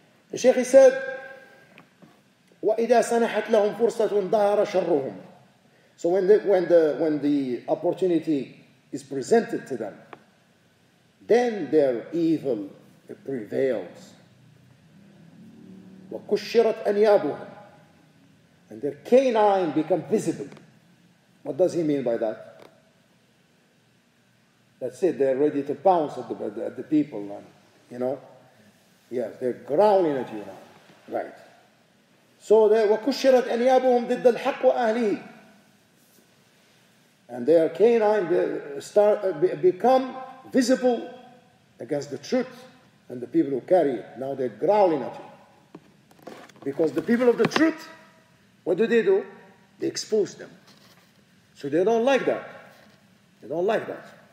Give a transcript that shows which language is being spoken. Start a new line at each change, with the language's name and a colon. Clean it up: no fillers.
English: The Sheikh said,
Arabic: وَإِذَا سَنَحَتْ لَهُمْ فُرْصَةٌ ضَهَرَ شَرُّهُمْ.
English: So when the opportunity is presented to them, then their evil prevails.
Arabic: وَكُشِّرَتْ أَنْيَابُهُمْ.
English: And their canine become visible. What does he mean by that? That's it, they're ready to pounce at the people, and, you know? Yes, they're growling at you now. Right. So they
Arabic: وَكُشِّرَتْ أَنْيَابُهُمْ ضِدَّ الْحَقُّ وَأَهْلِهِ.
English: And their canine become visible against the truth and the people who carry it. Now they're growling at you. Because the people of the truth, what do? They expose them. So they don't like that. They don't like that.